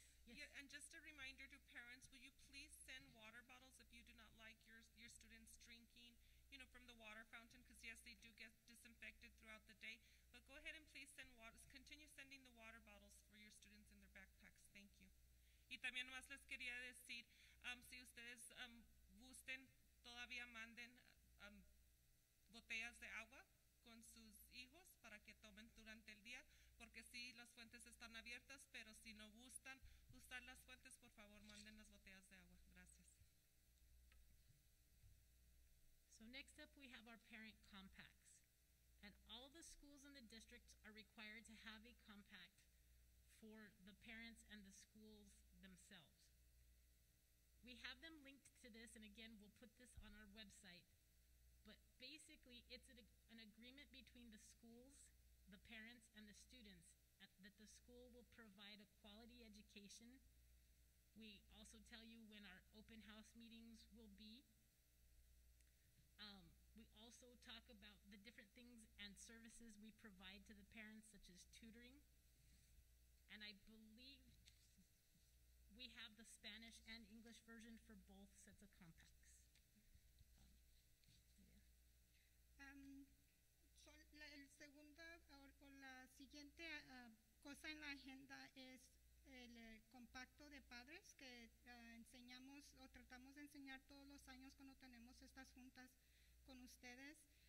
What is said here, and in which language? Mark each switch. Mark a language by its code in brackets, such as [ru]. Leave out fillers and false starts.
[en] Yeah, and just a reminder to parents, will you please send water bottles if you do not like your students drinking, you know, from the water fountain, because yes, they do get disinfected throughout the day, but go ahead and please send waters, continue sending the water bottles for your students in their backpacks. Thank you. [es] Y también nomás les quería decir, si ustedes gusten, todavía manden botellas de agua con sus hijos para que tomen durante el día, porque sí, las fuentes están abiertas, pero si no gustan usar las fuentes, por favor, manden las botellas de agua. Gracias. [en] So next up, we have our parent compacts. And all the schools in the district are required to have a compact for the parents and the schools themselves. We have them linked to this, and again, we'll put this on our website, but basically it's an agreement between the schools, the parents, and the students that the school will provide a quality education. We also tell you when our open house meetings will be. We also talk about the different things and services we provide to the parents, such as tutoring, and I believe we have the Spanish and English version for both sets of compacts. [es] So el segunda o la siguiente cosa en la agenda es el compacto de padres que enseñamos o tratamos de enseñar todos los años cuando tenemos estas juntas con ustedes.